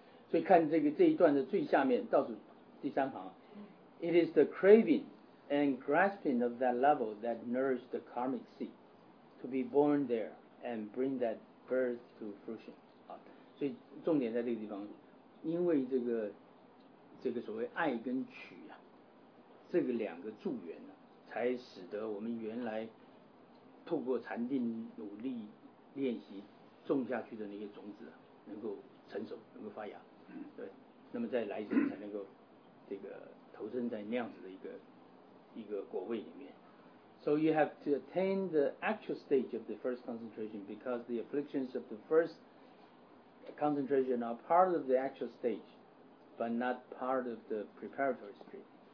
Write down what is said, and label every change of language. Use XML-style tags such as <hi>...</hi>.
<zh>所以看这个这一段的最下面倒数第三行</zh> <en>，It is the craving and grasping of that level that nourish the karmic seed to be born there and bring that birth to fruition。</en> <zh>啊，所以重点在这个地方，因为这个所谓爱跟取呀、啊，这个两个助缘呢、啊，才使得我们原来透过禅定努力练习种下去的那些种子、啊、能够成熟，能够发芽。对，那么在来生才能够这个投身在那样子的一个果位里面。</zh> <en>So you have to attain the actual stage of the first concentration because the afflictions of the first concentration are part of the actual stage, but not part of the preparatory stage.</en>